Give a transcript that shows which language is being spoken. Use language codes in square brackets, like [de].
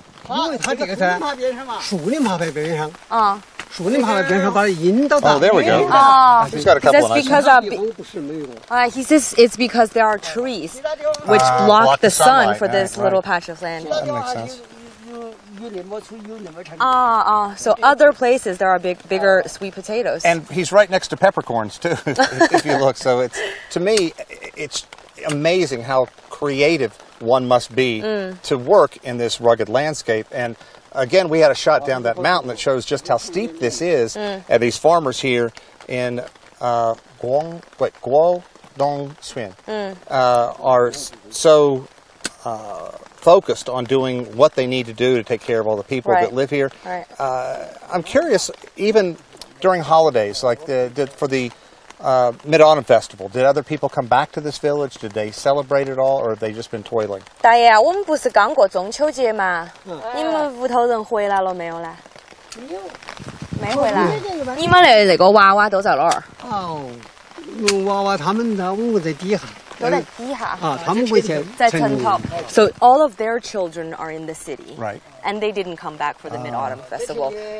[zh] 因为它这个噻，树林旁边边上。啊。树林旁边边上把它引到大。 [en] Oh, there we go. That's because he says it's because there are trees which block the sun for this little patch of land. That makes sense. So other places there are bigger sweet potatoes. And he's right next to peppercorns too, if you look. So it's, to me, it's amazing how creative one must be to work in this rugged landscape. And again, we had a shot down that mountain that shows just how steep this is. Mm. And these farmers here in Guangdongxuan are so... focused on doing what they need to do to take care of all the people right. that live here. Right. I'm curious, even during holidays, like for the Mid-Autumn Festival, did other people come back to this village? Did they celebrate at all, or have they just been toiling? [zh] 大爷，我们不是刚过中秋节吗？你们屋头人回来了没有嘞？没回来。你们那个娃娃都在哪儿？哦，娃娃他们在屋在底下。 [en] So all of their children are in the city, right? And they didn't come back for the Mid-Autumn Festival.